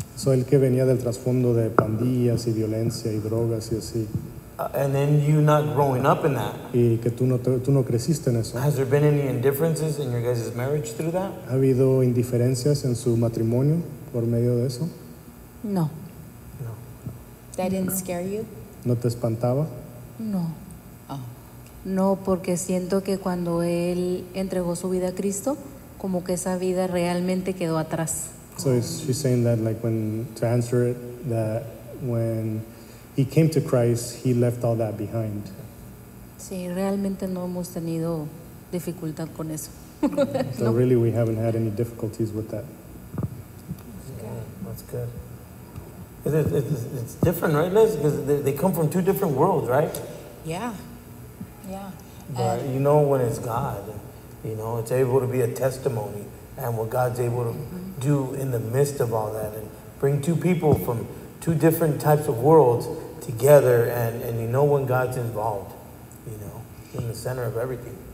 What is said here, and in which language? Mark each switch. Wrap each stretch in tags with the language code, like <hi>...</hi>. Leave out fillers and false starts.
<es>So el que venía del trasfondo de pandillas y violencia y drogas y así.</es> <en>And then you not growing up in that.</en> <es>Y que tú no creciste en eso.</es> <en>Has there been any indifferences in your guys' marriage through that?</en> <es>¿Ha habido indiferencias en su matrimonio por medio de eso? No.</es> <en>No. That didn't scare you?</en> <es>¿No te espantaba? No. Oh. No, porque siento que cuando él entregó su vida a Cristo, como que esa vida realmente quedó atrás.</es> <en>So she's saying that, like, when, to answer it, that when he came to Christ, he left all that behind.</en> <es>Sí, realmente no hemos tenido dificultad con eso.</es> <en>So no. Really, we haven't had any difficulties with that. That's good. It's different, right, Liz? Because they come from two different worlds, right? Yeah. But you know, when it's God, you know, it's able to be a testimony and what God's able to do in the midst of all that and bring two people from two different types of worlds together, and you know when God's involved, you know, in the center of everything.</en>